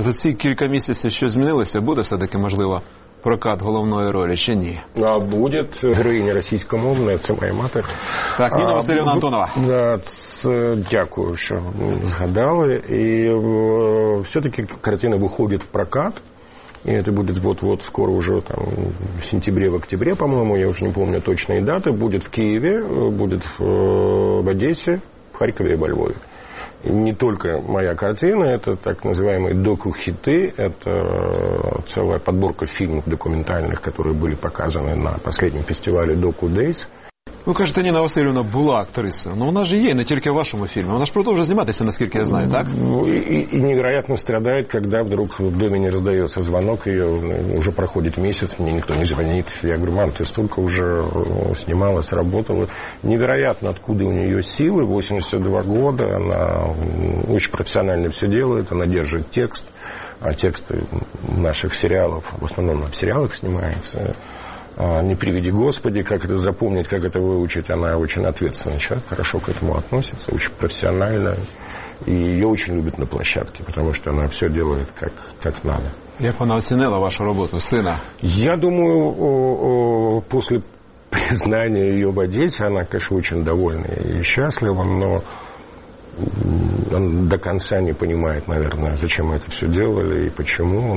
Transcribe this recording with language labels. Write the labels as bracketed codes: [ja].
[uk] За ці кілька місяців що змінилося, буде все-таки можливо прокат головної ролі чи ні? А буде героїня російськомовна, це моя мати. Так, Ніна Василівна Антонова. Дякую, що згадали. І все-таки картина виходить в прокат. [ru] И это будет вот-вот, скоро уже там, в сентябре, в октябре, по-моему, я уже не помню точные даты. Будет в Киеве, будет в Одессе, в Харькове и во Львове. И не только моя картина, это так называемые доку-хиты. Это целая подборка фильмов документальных, которые были показаны на последнем фестивале Доку Дейс. [uk] Ви кажете, Ніна Васильівна була актрисою, але вона ж є не тільки в вашому фільмі. Вона ж продовжує зніматися, наскільки я знаю, так? І [ru] невероятно [uk] страдає, коли вдруг до мене роздається дзвінок, і вже проходить місяць, мені ніхто не дзвонить. Я говорю, мам, ти стільки вже знімалась, працювала. [ru] Невероятно, откуда [uk] у неї сили, 82 роки, вона дуже професіонально все робить, вона [ru] держит текст, [uk] а тексти наших серіалів, в основному в серіалах знімається. [ru] Не приведи Господи, как это запомнить, как это выучить. Она очень ответственный человек, хорошо к этому относится, очень профессионально. И ее очень любят на площадке, потому что она все делает как надо. Как она оценила вашу работу, сына? Я думаю, после признания ее в Одессе, она, конечно, очень довольна и счастлива, но он до конца не понимает, наверное, зачем мы это все делали и почему.